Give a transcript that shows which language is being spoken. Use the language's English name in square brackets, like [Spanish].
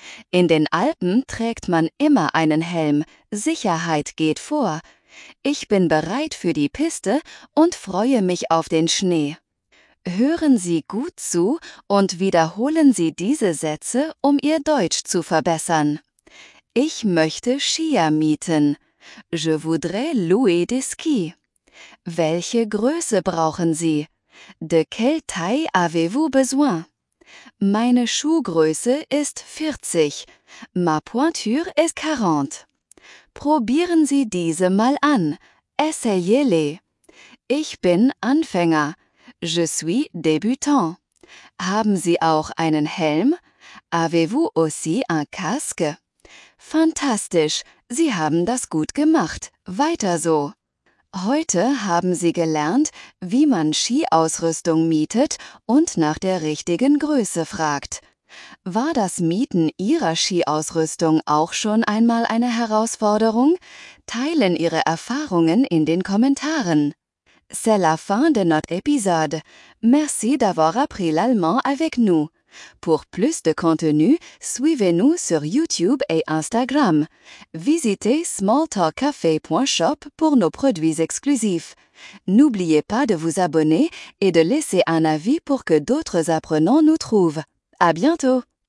[German] In den Alpen trägt man immer einen Helm, Sicherheit geht vor. Ich bin bereit für die Piste und freue mich auf den Schnee. Hören Sie gut zu und wiederholen Sie diese Sätze, um Ihr Deutsch zu verbessern. Ich möchte Skier mieten. [French] Je voudrais louer des skis. [German] Welche Größe brauchen Sie? [French] De quelle taille avez-vous besoin? [German] Meine Schuhgröße ist 40. [French] Ma pointure est 40. [German] Probieren Sie diese mal an. [French] Essayez-les. [German] Ich bin Anfänger. [French] Je suis débutant. [German] Haben Sie auch einen Helm? [French] Avez-vous aussi un casque? [German] Fantastisch! Sie haben das gut gemacht. Weiter so! Heute haben Sie gelernt, wie man Skiausrüstung mietet und nach der richtigen Größe fragt. War das Mieten Ihrer Skiausrüstung auch schon einmal eine Herausforderung? Teilen Ihre Erfahrungen in den Kommentaren. [French] C'est la fin de notre épisode. Merci d'avoir appris l'allemand avec nous. Pour plus de contenu, suivez-nous sur YouTube et Instagram. Visitez smalltalkcafé.shop pour nos produits exclusifs. N'oubliez pas de vous abonner et de laisser un avis pour que d'autres apprenants nous trouvent. À bientôt!